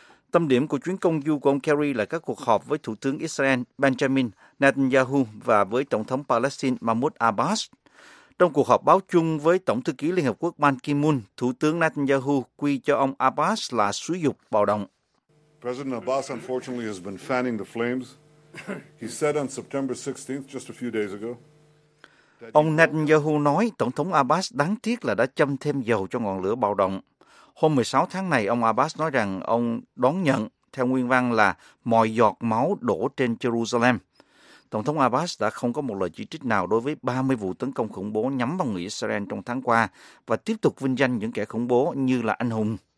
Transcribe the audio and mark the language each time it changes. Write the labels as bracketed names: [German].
[Vietnamese] Tâm điểm của chuyến công du của ông Kerry là các cuộc họp với Thủ tướng Israel Benjamin Netanyahu và với Tổng thống Palestine Mahmoud Abbas. Trong cuộc họp báo chung với Tổng thư ký Liên Hợp Quốc Ban Ki-moon, Thủ tướng Netanyahu quy cho ông Abbas là xúi dục bạo động. [English] President Abbas unfortunately has been fanning the flames. He said on September 16th, just a few days ago. [Vietnamese] Ông Netanyahu nói Tổng thống Abbas đáng tiếc là đã châm thêm dầu cho ngọn lửa bạo động. Hôm 16 tháng này, ông Abbas nói rằng ông đón nhận, theo nguyên văn là mọi giọt máu đổ trên Jerusalem. Tổng thống Abbas đã không có một lời chỉ trích nào đối với 30 vụ tấn công khủng bố nhắm vào người Israel trong tháng qua và tiếp tục vinh danh những kẻ khủng bố như là anh hùng.